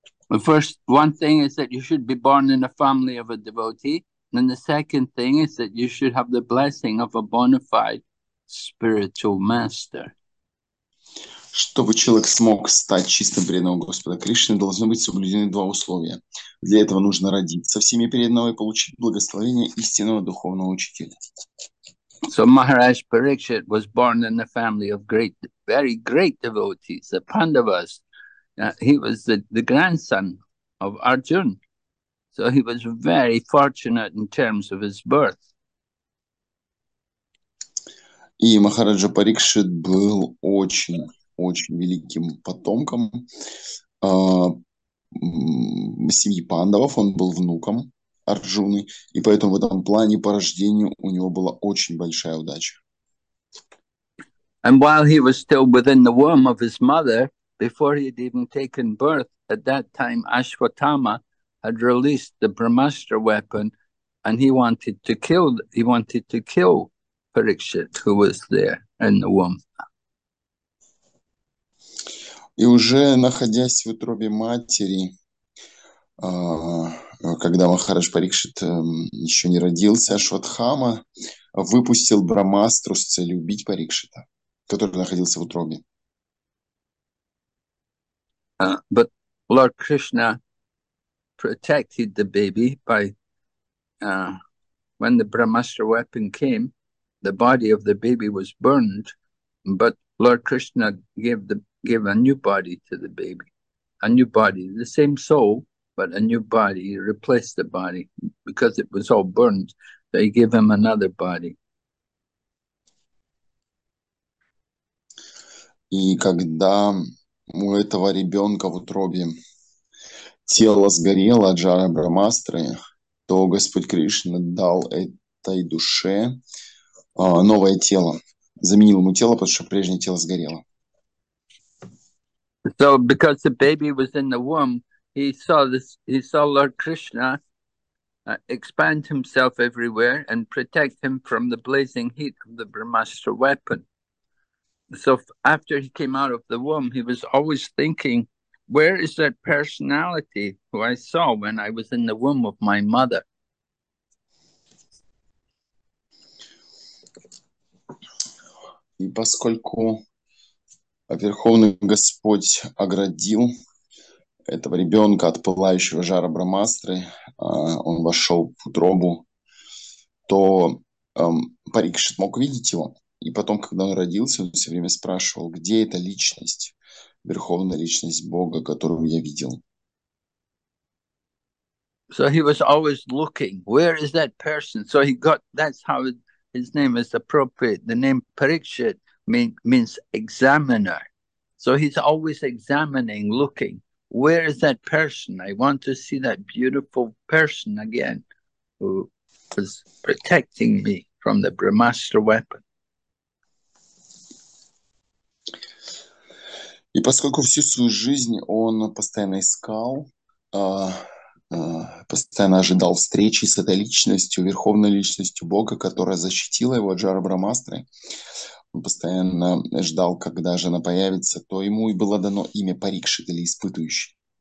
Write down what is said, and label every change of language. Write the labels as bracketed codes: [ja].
[en] The first one thing is that you should be born in a family of a devotee, and the second thing is that you should have the blessing of a bona fide spiritual master. [ru] Чтобы человек смог стать чистым преданным Господа Кришны, должны быть соблюдены два условия. Для этого нужно родиться в семье преданного и получить благословение истинного духовного учителя. [en] So Maharaj Parikshit was born in the family of great, very great devotees, the Pandavas. He was the grandson of Arjun. So he was very fortunate in terms of his birth. [ru] И Махараджа Парикшит был очень великим потомком семьи Пандавов. Он был внуком Арджуны, и поэтому в этом плане по рождению у него была очень большая удача. [en] And while he was still within the womb of his mother, before he had even taken birth, at that time Ashwatthama had released the Brahmastra weapon, and he wanted to kill Parikshit, who was there in the womb. [ru] И уже находясь в утробе матери, когда Махарадж Парикшит еще не родился, Ашватхама выпустил Брамастру с целью убить Парикшита, который находился в утробе. [en] But Lord Krishna protected the baby by when the Brahmastra weapon came, the body of the baby was burned, but Lord Krishna gave a new body to the baby, a new body, the same soul, but a new body. He replaced the body because it was all burned, so he gave him another body. [ru] И когда у этого ребенка в утробе тело сгорело от жара Брамастры, то Господь Кришна дал этой душе новое тело, заменил ему тело, потому что прежнее тело сгорело. [en] So because the baby was in the womb, he saw this, he saw Lord Krishna expand himself everywhere and protect him from the blazing heat of the Brahmastra weapon. So after he came out of the womb, he was always thinking, where is that personality who I saw when I was in the womb of my mother? [ru] И поскольку Верховный Господь оградил этого ребенка от пылающего жара Брамастры, он вошел в утробу, то Парикшит мог видеть его. И потом, когда он родился, он все время спрашивал, где эта личность, верховная личность Бога, которую я видел. [en] So he was always looking, where is that person? So he got, that's how his name is appropriate. The name Parikshit means examiner. So he's always examining, looking, where is that person? I want to see that beautiful person again who was protecting me from the Brahmastra weapon. [ru] И поскольку всю свою жизнь он постоянно искал, постоянно ожидал встречи с этой личностью, верховной личностью Бога, которая защитила его от жара Брамастры, он постоянно ждал, когда же она появится, то ему и было дано имя Парикшит или Испытующий.